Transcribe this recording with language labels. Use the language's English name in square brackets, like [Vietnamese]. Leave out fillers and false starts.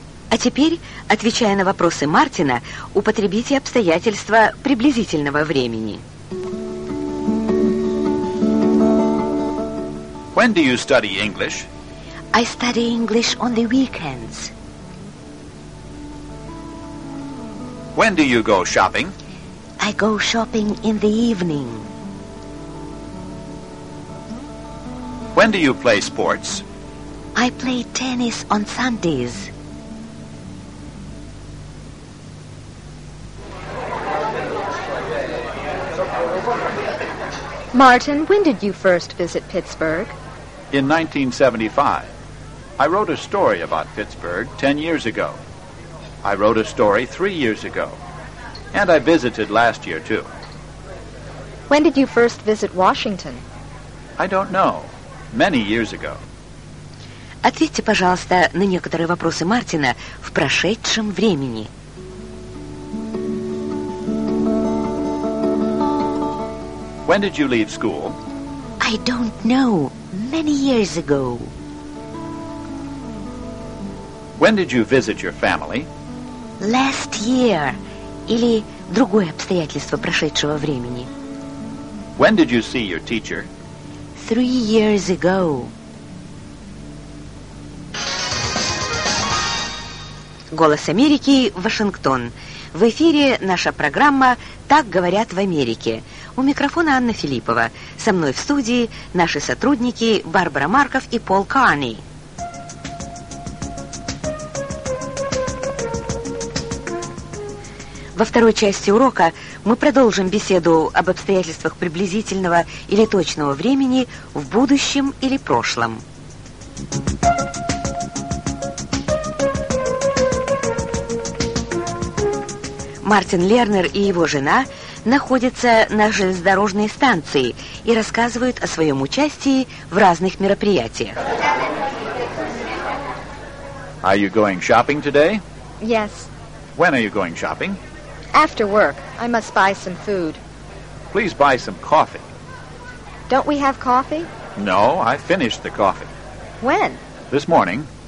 [Russian] А теперь, отвечая на вопросы Мартина, употребите обстоятельства приблизительного времени. [English] When do you study English? I study English on the weekends. When do you go shopping? I go shopping in the evening. When do you play sports? I play tennis on Sundays. Martin, when did you first visit Pittsburgh? In 1975. I wrote a story about Pittsburgh 10 years ago. I wrote a story 3 years ago. And I visited last year, too. When did you first visit Washington? I don't know. Many years ago. [Russian] Ответьте, пожалуйста, на некоторые вопросы Мартина в прошедшем времени. [English] When did you leave school? I don't know. Many years ago. When did you visit your family? Last year. [Russian] Или другое обстоятельство прошедшего времени. [English] When did you see your teacher? 3 years ago. [Russian] Голос Америки, Вашингтон. В эфире наша программа «Так говорят в Америке». У микрофона Анна Филиппова. Со мной в студии наши сотрудники Барбара Марков и Пол Карни. Во второй части урока мы продолжим беседу об обстоятельствах приблизительного или точного времени в будущем или прошлом. Мартин Лернер и его жена находятся на железнодорожной станции и рассказывают о своем участии в разных мероприятиях. [English] Are you going shopping today? Yes. When are you going shopping? After work. I must buy some food. Please buy some coffee. Don't we have coffee? No, I finished the coffee. When? This morning.